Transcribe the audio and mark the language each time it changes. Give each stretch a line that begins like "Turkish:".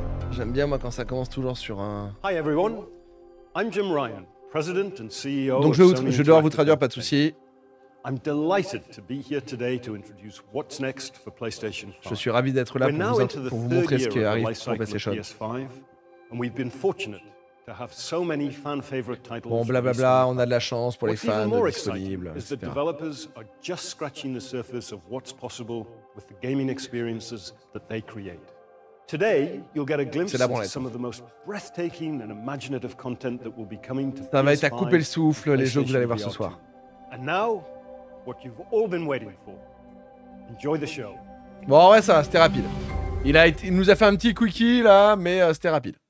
French: J'aime bien moi quand ça commence toujours sur un...
English: Hi everyone, I'm Jim Ryan, president and CEO.
French: Donc je dois vous traduire, pas de souci.
English: I'm delighted to be here today to introduce what's next for PlayStation 5.
French: Je suis ravi d'être là pour vous montrer ce qui arrive pour PlayStation 5.
English: And we've been fortunate to have so many fan favorite titles.
French: Bon blablabla, on a de la chance pour les fans disponibles.
English: The developers are just scratching the surface of what's possible with the gaming experiences that they create. Today, you'll get a glimpse of some of the most breathtaking and imaginative content that will be coming to
French: PS5. Ça va être à couper le souffle les jeux que vous allez voir ce soir.
English: And now, what you've all been waiting for. Enjoy the show.
French: Bon, ouais, ça va, c'était rapide. Il nous a fait un petit quickie là, mais c'était rapide.